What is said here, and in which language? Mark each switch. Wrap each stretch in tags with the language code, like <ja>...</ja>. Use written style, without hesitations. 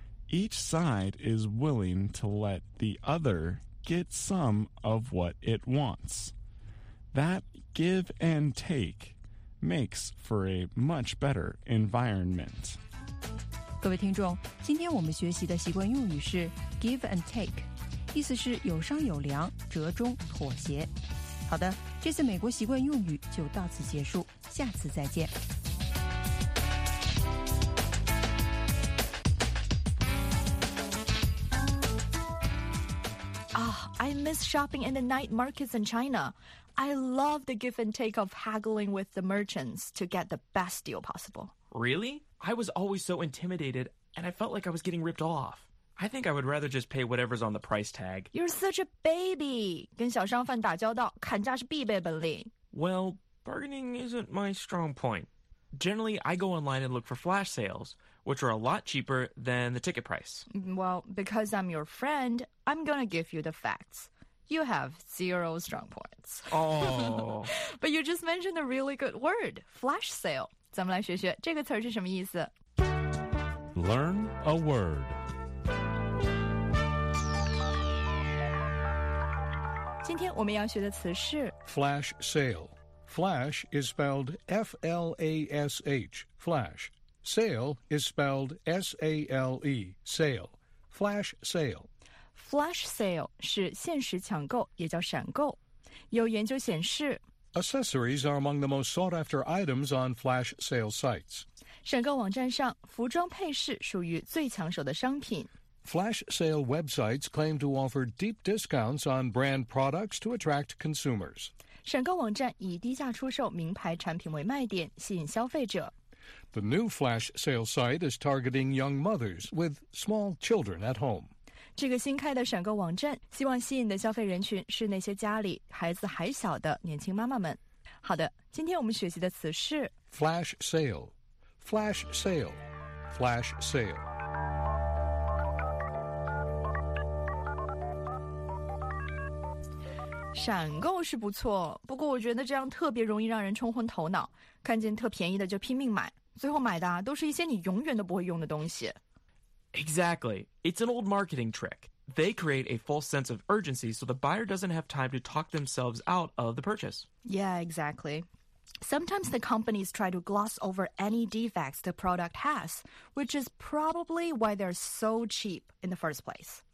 <en>Each side is willing to let the other get some of what it wants. That give and take makes for a much better environment.</en> <zh>各位听众，今天我们学习的习惯用语是 give and take， 意思是有商有量，折中妥协。好的，这次美国习惯用语就到此结束，下次再见。</zh> <en>I miss shopping in the night markets in China. I love the give and take of haggling with the merchants to get the best deal possible. Really? I was always so intimidated, and I felt like I was getting ripped off. I think I would rather just pay whatever's on the price tag. You're such a baby!</en> <zh>跟小商贩打交道，砍价是必备本领。</zh> <en>Well, bargaining isn't my strong point. Generally, I go online and look for flash sales,which are a lot cheaper than the ticket price. Well, because I'm your friend, I'm going to give you the facts. You have zero strong points. Oh. But you just mentioned a really good word, flash sale.</en> <zh>咱们来学学这个词是什么意思。</zh> <en>Learn a word.</en> <zh>今天我们要学的词是</zh> <en>flash sale. Flash is spelled F-L-A-S-H, flash. Sale is spelled S-A-L-E, sale, flash sale.</en> <zh>Flash sale 是限时抢购，也叫闪购。有研究显示</zh> <en>，Accessories are among the most sought-after items on flash sale sites.</en> <zh>闪购网站上，服装配饰属于最抢手的商品。</zh> <en>flash sale websites claim to offer deep discounts on brand products to attract consumers.</en> <zh>选购网站以低价出售名牌产品为卖点，吸引消费者。</zh> <en>The new flash sale site is targeting young mothers with small children at home.</en> <zh>这个新开的选购网站希望吸引的消费人群是那些家里孩子还小的年轻妈妈们。好的，今天我们学习的词是</zh> <en>flash sale, flash sale, flash sale.</en> <zh>闪购是不错，不过我觉得这样特别容易让人冲昏头脑，看见特便宜的就拼命买，最后买的都是一些你永远都不会用的东西。</zh> <en>Exactly. It's an old marketing trick. They create a false sense of urgency so the buyer doesn't have time to talk themselves out of the purchase. Yeah, exactly. Sometimes the companies try to gloss over any defects the product has, which is probably why they're so cheap in the first place.</en>